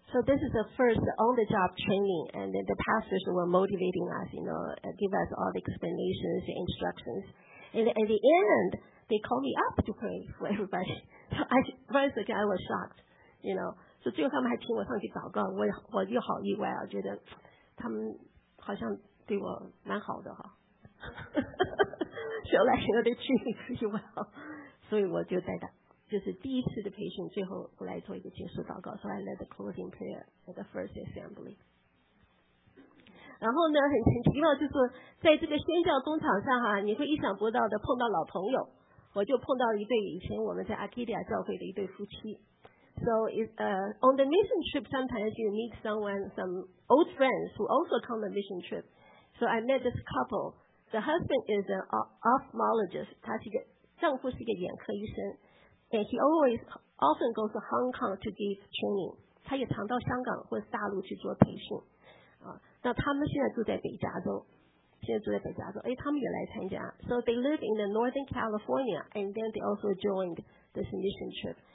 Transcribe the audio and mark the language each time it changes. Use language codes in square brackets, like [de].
[en] So this is the first on-the-job training, and then the pastors were motivating us, you know, give us all the explanations, the instructions, and at the end they called me up to pray for everybody. So first again, I was shocked, you know. [zh] So 最后他们还请我上去祷告，我又好意外啊，觉得他们好像对我蛮好的哈。 [en] So like, you know, they treat me pretty well. [zh] 所以我就在祷，就是第一次的培训最后来做一个结束祷告。 So I led the closing prayer at the first assembly. 然后呢，很奇妙，就是在这个宣教工厂上哈，你会意想不到的碰到老朋友。我就碰到一对以前我们在 Arcadia 教会的一对夫妻。 [en] So on the mission trip, sometimes you meet some old friends who also come on the mission trip. So I met this couple. The husband is an ophthalmologist. [zh] 他是一个丈夫是一个眼科医生。 [en] And he always often goes to Hong Kong to give training. [zh] 他也常到香港或者大陆去做培训。那他们现在住在北加州。现在住在北加州，他们也来参加。 [en] So they live in the Northern California, and then they also joined this mission trip.